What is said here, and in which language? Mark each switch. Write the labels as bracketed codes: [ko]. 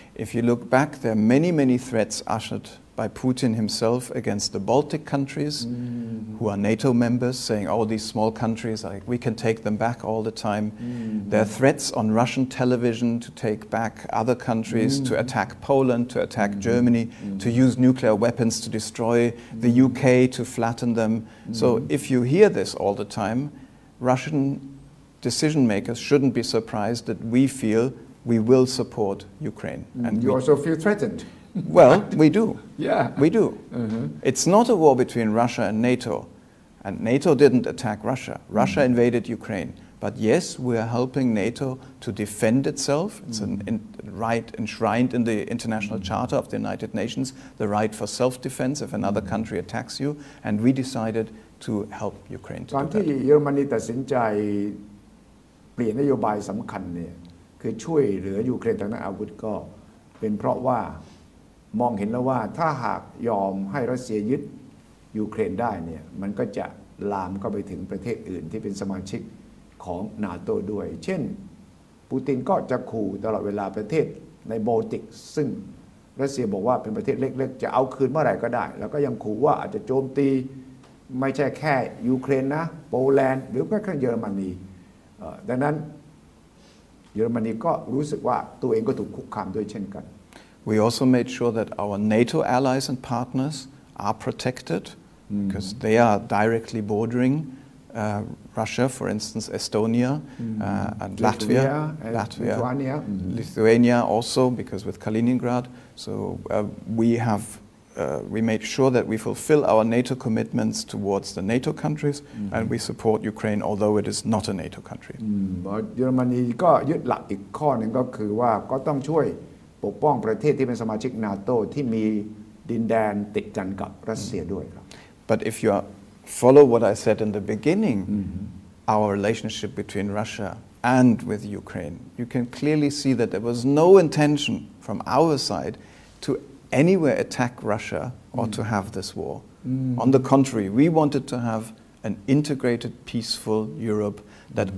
[en] If you look back, there are many, many threats ushered. By Putin himself against the Baltic countries, who are NATO members, saying, "Oh, these small countries, like we can take them back all the time." There are threats on Russian television to take back other countries, to attack Poland, to attack Germany, to use nuclear weapons to destroy the UK, to flatten them. So, if you hear this all the time, Russian decision makers shouldn't be surprised that we feel we will support Ukraine. And you also feel threatened. Well, we do. Yeah. We do. Mm-hmm. It's not a war between Russia and NATO. And NATO didn't attack Russia. Russia mm-hmm. invaded Ukraine. But yes, we are helping NATO to defend itself. It's mm-hmm. a right enshrined in the International mm-hmm. Charter of the United Nations, the right for self-defense if another mm-hmm. country attacks you. And we decided to help Ukraine to do that. [th] ตอนที่เยอรมนีตัดสินใจเปลี่ยนนโยบายสำคัญเนี่ยคือช่วยเหลือยูเครนทางด้านอาวุธก็เป็นเพราะว่ามองเห็นแล้วว่าถ้าหากยอมให้รัสเซียยึดยูเครนได้เนี่ยมันก็จะลามเข้าไปถึงประเทศอื่นที่เป็นสมาชิกของนาโต้ด้วยเช่น ปูตินก็จะขู่ตลอดเวลาประเทศในโบลติกซึ่งรัสเซียบอกว่าเป็นประเทศเล็กๆจะเอาคืนเมื่อไหร่ก็ได้แล้วก็ยังขู่ว่าอาจจะโจมตีไม่ใช่แค่ยูเครนนะโปแลนด์หรือแม้กระทั่งเยอรมนีดังนั้นเยอรมนีก็รู้สึกว่าตัวเองก็ถูกคุกคามด้วยเช่นกัน [en] We also made sure that our NATO allies and partners are protected mm-hmm. because they are directly borderingRussia, for instance, Estonia, mm-hmm. And Latvia, Lithuania. Mm-hmm. Lithuania also, because with Kaliningrad. So we made sure that we fulfill our NATO commitments towards the NATO countries, mm-hmm. and we support Ukraine, although it is not a NATO country. [th] Germany ก็ยึดหลักอีกข้อนึงก็คือว่าก็ต้องช่วยปกป้องประเทศที่เป็นสมาชิก NATO ที่มีดินแดนติดกันกับรัสเซียด้วยครับ [en] But if you areFollow what I said in the beginning, mm-hmm. our relationship between Russia and with Ukraine. You can clearly see that there was no intention from our side to anywhere attack Russia or mm-hmm. to have this war. Mm-hmm. On the contrary, we wanted to have an integrated, peaceful Europe that mm-hmm.